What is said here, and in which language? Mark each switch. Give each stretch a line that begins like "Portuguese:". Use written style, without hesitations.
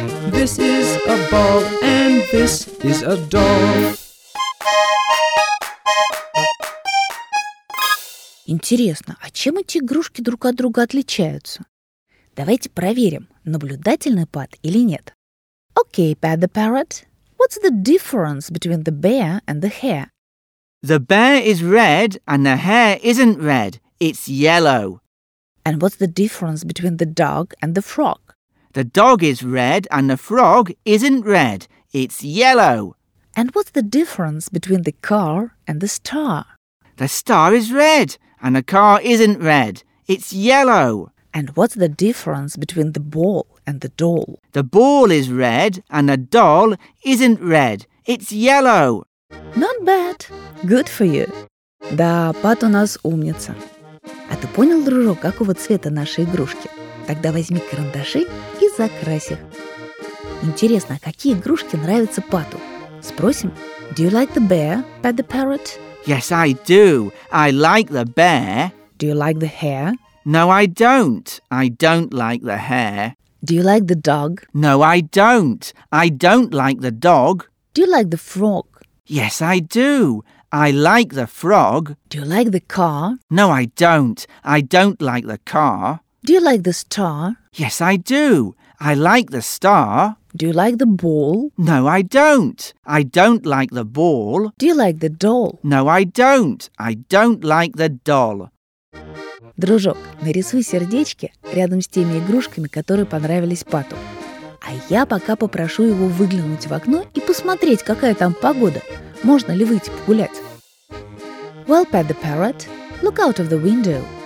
English: This is a ball. And this is a doll.
Russian: Интересно, а чем эти игрушки друг от друга отличаются? Давайте проверим, наблюдательный Пат или нет.
English: Okay, Pat the Parrot, what's the difference between the bear and the hare? The bear is red and the hare isn't red, it's yellow. And what's the difference between the dog and the frog? The dog is red and the frog isn't red, it's yellow. And what's the difference between the car and the star? The star is red, and the car isn't red. It's yellow. And what's the difference between the ball and the doll? The ball is red, and the doll isn't red. It's yellow. Not bad. Good for you.
Russian: Да, Пат у нас умница. А ты понял, дружок, какого цвета наши игрушки? Тогда возьми карандаши и закрась их. Интересно, какие игрушки нравятся Пату? Спросим.
English: Do you like the bear, Pat the Parrot? Yes, I do. I like the bear. Do you like the hare? No, I don't. I don't like the hare. Do you like the dog? No, I don't. I don't like the dog. Do you like the frog? Yes, I do. I like the frog. Do you like the car? No, I don't. I don't like the car. Do you like the star? Yes, I do. I like the star. Do you like the ball? No, I don't. I don't like the ball. Do you like the doll? No, I don't. I don't like the doll.
Russian: Дружок, нарисуй сердечки рядом с теми игрушками, которые понравились Пату. А я пока попрошу его выглянуть в окно и посмотреть, какая там погода. Можно ли выйти погулять?
English: Well, Pat the Parrot, look out of the window.